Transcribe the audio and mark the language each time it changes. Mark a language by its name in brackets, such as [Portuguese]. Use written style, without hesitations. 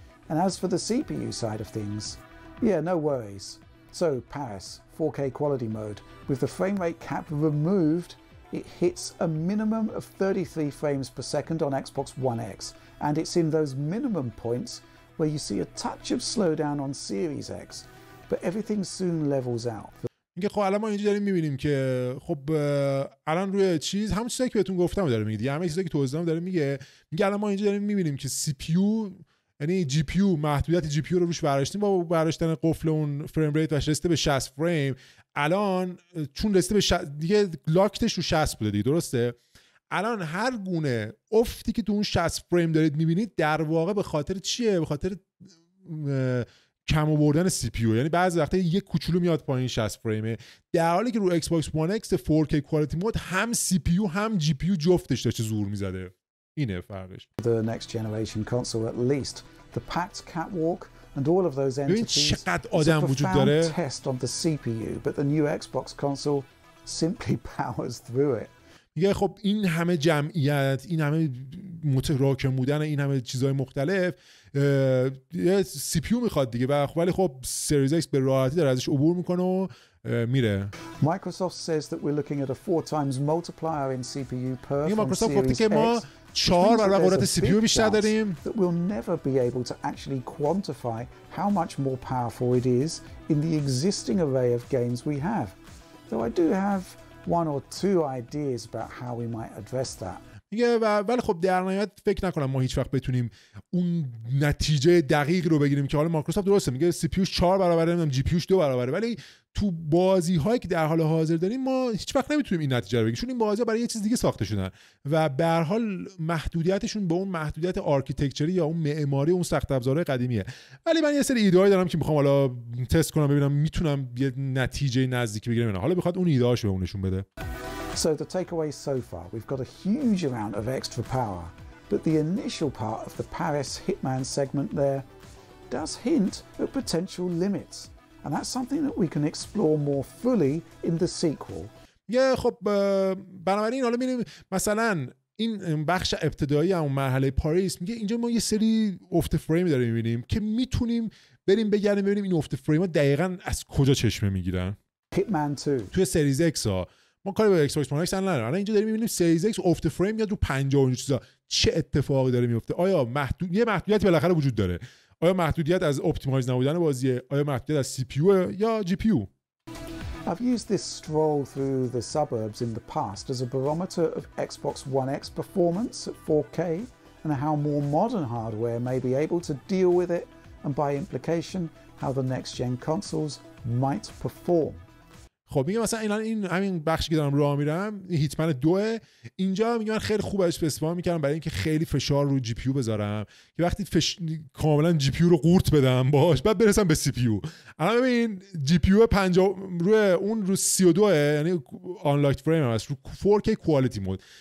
[English] And as for the CPU side of things, yeah, no worries. So, Paris, 4K quality mode, with the frame rate cap removed, it hits a minimum of 33 frames per second on Xbox One X, and it's in those minimum points where you see a touch of slowdown on Series X, but everything soon levels out. [Persian] اینکه خب الان ما اینجا داریم میبینیم که خب الان روی چیز همون چیزی که بهتون گفتم داره میگه، همه چیزی که تو ازدم داره میگه، میگه الان ما اینجا داریم میبینیم که سی پی یو یعنی جی پی یو محدودیت جی پی یو رو روش برداشتیم با برداشتن قفل اون فریم ریت و رسیده به 60 فریم، الان چون رسیده به دیگه لاکتش رو 60 بوده دیگه، درسته؟ الان هر گونه افتی که تو اون 60 فریم دارید میبینید در واقع به خاطر چیه؟ به خاطر کم آوردن سی پی یو، یعنی بعضی وقتا یک کوچولو میاد پایین 60 فریمه، در حالی که رو ایکس باکس وان ایکس 4K کوالیتی مود هم سی پی یو هم جی پی یو جفتش داشته زور میزده. اینه فرقش. [English] The next generation console at least the packed catwalk and all of those entities. [Persian] چقدر آدم وجود داره؟ [English] Test on the CPU, but the new Xbox console simply powers through it. [Persian] میگه خب این همه جمعیت، این همه متراکم بودن، این همه چیزهای مختلف یه سی پی یو میخواد دیگه، ولی خب سریز ایکس به راحتی داره ازش عبور میکنه و میره. [English] Microsoft says that we're looking at a 4 times multiplier in CPU per from Series X. [Persian] ما 4 برابر قدرت سی پی یو بیشتر داریم. [English] We'll never be able to actually quantify how much more powerful it is in the existing array of games we have. Though I do have one or two ideas about how we might address that. [Persian] میگه ولی خب در نهایت فکر نکنم ما هیچ وقت بتونیم اون نتیجه دقیق رو بگیریم که حالا مایکروسافت درسته میگه سی پی یو 4 برابره، نمیدونم جی پی یو 2 برابره، ولی تو بازی هایی که در حال حاضر داریم ما هیچ وقت نمیتونیم این نتیجه رو بگیریم، چون این بازی ها برای یه چیز دیگه ساخته شدن و به هر حال محدودیتشون به اون محدودیت آرکیتکچری یا اون معماری اون سخت افزارهای قدیمیه. ولی من یه سری ایده هایی دارم که میخوام حالا تست کنم ببینم میتونم یه نتیجه نزدیکی بگیرم. حالا بخواد اون ایده هاش به اونشون بده. [English] So the takeaway so far, we've got a huge amount of extra power, but the initial part of the Paris Hitman segment there does hint at potential limits, and that's something that we can explore more fully in the sequel. Yeah, [Persian] خب بنابراین حالا میریم مثلا این بخش ابتدایی اون مرحله پاریس، میگه اینجا ما یه سری افت فریم داریم میبینیم که میتونیم بریم بگردیم ببینیم این افت فریم‌ها دقیقاً از کجا چشمه میگیرن. [English] Hitman 2. [Persian] توی سریز اکس ها ما کاری به ایکس باکس وان ایکس نداریم، الان اینجا داریم میبینیم سریز ایکس افت فریم میاد رو 50 و اون چیزا، چه اتفاقی داره میفته؟ آیا یه محدودیتی بالاخره وجود داره؟ آیا محدودیت از اپتیمایز نبودن بازیه؟ آیا محدودیت از سی پی یو یا جی پی یو؟ [English] I've used this stroll through the suburbs in the past as a barometer of Xbox One X performance at 4K and how more modern hardware may be able to deal with it and by implication how the next gen consoles might perform. [Persian] خب میگه مثلا این همین بخشی که دارم راه میرم هیتمن 2، اینجا میگه من خیلی خوب ازش استفاده میکردم برای اینکه خیلی فشار رو جی پی یو بذارم که وقتی کاملا جی پی یو رو قورت بدم باهاش بعد برسم به سی پی یو. الان ببین جی پی یو 50 روی اون رو 32 یعنی آنلاک فریم است رو 4K کوالیتی مود.